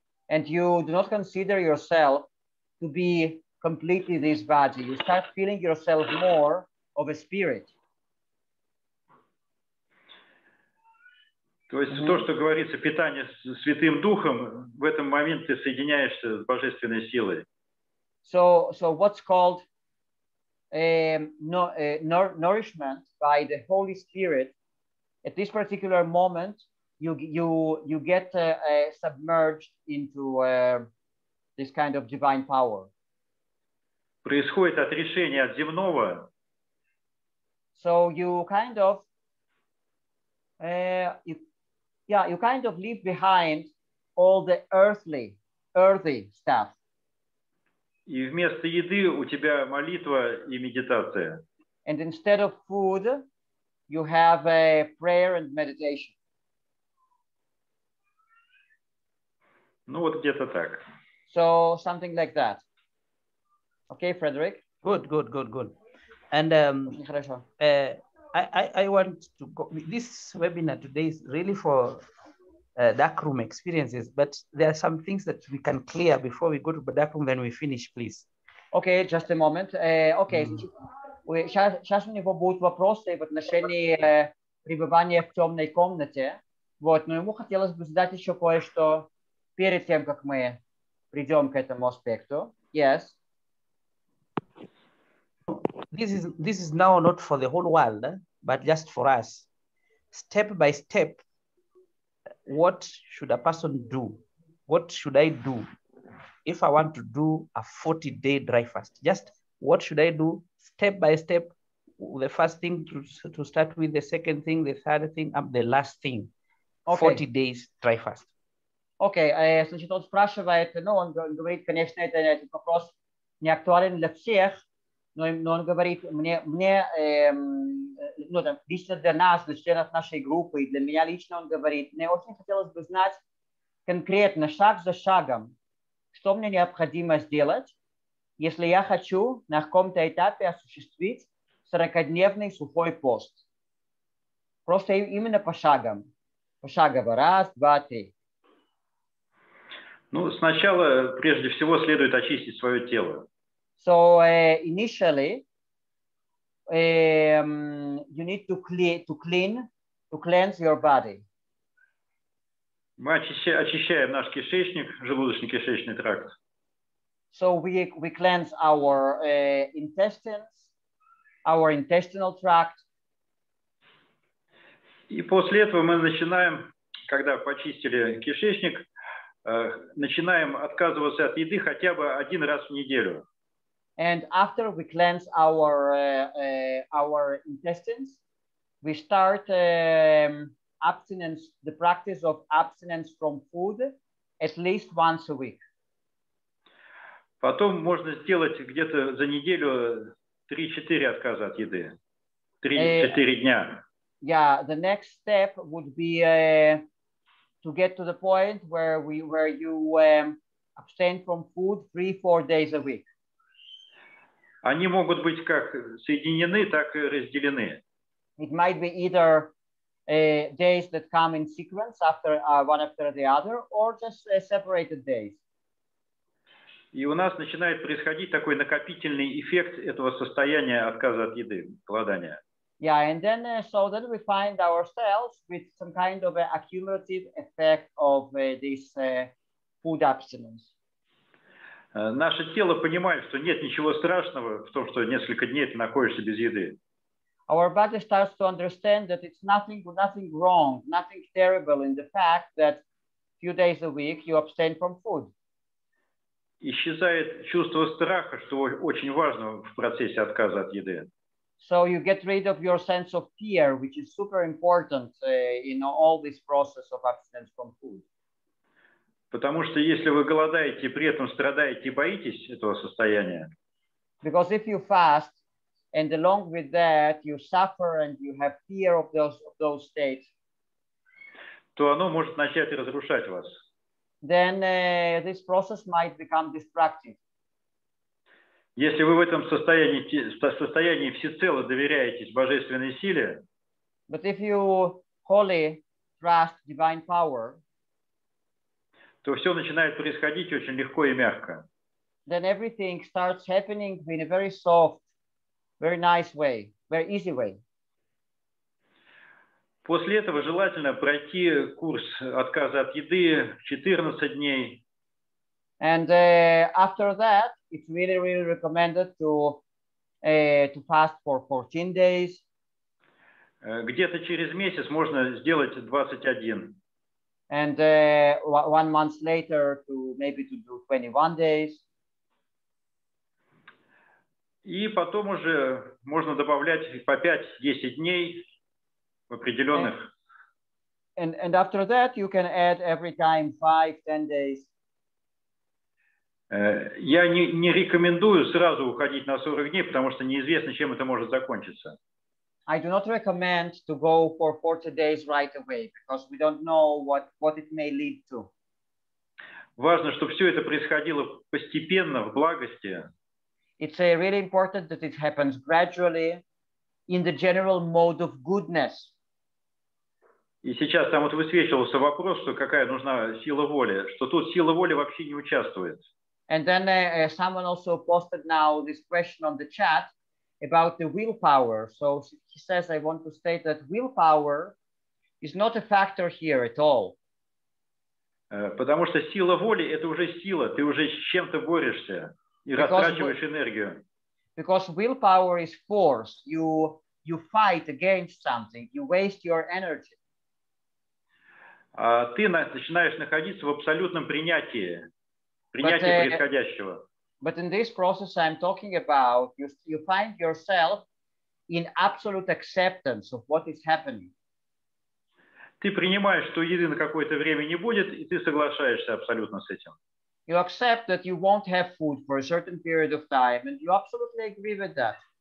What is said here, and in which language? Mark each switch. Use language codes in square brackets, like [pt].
[en] And you do not consider yourself to be completely this body. You start feeling yourself more of a spirit. [ru] То есть то, что говорится, питание Святым Духом, в этом момент ты соединяешься с Божественной силой. [en] So what's called nourishment by the Holy Spirit, at this particular moment, you get submerged into this kind of divine power. [ru] Происходит отрешение от земного. [en] So you kind of leave behind all the earthy stuff. [ru] И вместо еды у тебя молитва и медитация. [en] And instead of food, you have a prayer and meditation. [ru] Ну вот где-то так. [en] So something like that. Okay, Frederick. Good. And I want to go. This webinar today is really for dark room experiences, but there are some things that we can clear before we go to the dark room, then we finish, please. Okay, just a moment. Okay. [ru] Сейчас у него будут вопросы в отношении пребывания в темной комнате. Вот, но ему хотелось бы задать еще кое-что перед тем, как мы придем к этому аспекту. [en] Yes. This is now not for the whole world, but just for us. Step by step, what should a person do? What should I do if I want to do a 40-day dry fast? Just what should I do step by step? The first thing to start with, the second thing, the third thing, and the last thing. Okay. 40 days dry fast. [ru] Okay, значит, он спрашивает, ну, он говорит, конечно, это вопрос не актуален для всех, но он говорит, ну, там, лично для нас, для членов нашей группы, и для меня лично он говорит, мне очень хотелось бы знать конкретно, шаг за шагом, что мне необходимо сделать, если я хочу на каком-то этапе осуществить 40-дневный сухой пост. Просто именно по шагам. Пошагово. Раз, два, три. Ну, сначала, прежде всего, следует очистить свое тело. [en] So, initially, you need to cleanse your body. [ru] Мы очищаем наш кишечник, желудочно-кишечный тракт. [en] So we cleanse our intestines, our intestinal tract. [ru] И после этого мы начинаем, когда почистили кишечник, начинаем отказываться от еды хотя бы один раз в неделю. [en] And after we cleanse our intestines, we start the practice of abstinence from food at least once a week. [ru] Потом можно сделать где-то за неделю 3-4 отказа от еды. 3-4 дня. [en] Yeah, the next step would be to get to the point where you abstain from food 3-4 days a week. [ru] Они могут быть как соединены, так и разделены. [en] It might be either days that come in sequence after one after the other, or just separated days. [ru] И у нас начинает происходить такой накопительный эффект этого состояния отказа от еды, голодания. [en] Yeah, and then so then we find ourselves with some kind of accumulative effect of this food abstinence. [ru] Наше тело понимает, что нет ничего страшного в том, что несколько дней ты находишься без еды. [en] Our body starts to understand that it's nothing wrong, nothing terrible in the fact that few days a week you abstain from food. [ru] Исчезает чувство страха, что очень важно в процессе отказа от еды. [en] So you get rid of your sense of fear, which is super important in all this process of abstinence from food. [ru] Потому что если вы голодаете, при этом страдаете, боитесь этого состояния. [en] Because if you fast, and along with that you suffer and you have fear of those states, [ru] то оно может начать разрушать вас. [en] Then this process might become destructive. [ru] Если вы в этом состоянии всецело доверяетесь божественной силе, [en] but if you wholly trust divine power, [ru] то все начинает происходить очень легко и мягко. [en] Then everything starts happening in a very soft, very nice way, very easy way. [ru] После этого желательно пройти курс отказа от еды 14 дней. [en] And after that, it's really, really recommended to fast for 14 days. [ru] Где-то через месяц можно сделать 21. [en] And one month later, to do 21 days. [ru] И потом уже можно добавлять по 5-10 дней в определенных. [en] And after that, you can add every time 5-10 days. [ru] Я не рекомендую сразу уходить на 40 дней, потому что неизвестно, чем это может закончиться. [en] I do not recommend to go for 40 days right away, because we don't know what it may lead to. [ru] Важно, чтобы все это происходило постепенно, в благости. [en] It's really important that it happens gradually in the general mode of goodness. [ru] И сейчас там вот высвечивался вопрос, что какая нужна сила воли, что тут сила воли вообще не участвует. [en] And then someone also posted now this question on the chat about the willpower. So he says, I want to state that willpower is not a factor here at all. [ru] Потому что сила воли – это уже сила. Ты уже с чем-то борешься и растрачиваешь энергию. [en] Because willpower is force. You fight against something. You waste your energy. [ru] Ты начинаешь находиться в абсолютном принятии. Принятие происходящего. [en] But in this process I'm talking about, you find yourself in absolute acceptance of what is happening. [ru] Ты принимаешь, что еды на какое-то время не будет, и ты соглашаешься абсолютно с этим. [en] You accept that you won't have food for a certain period of time, and you absolutely agree with that.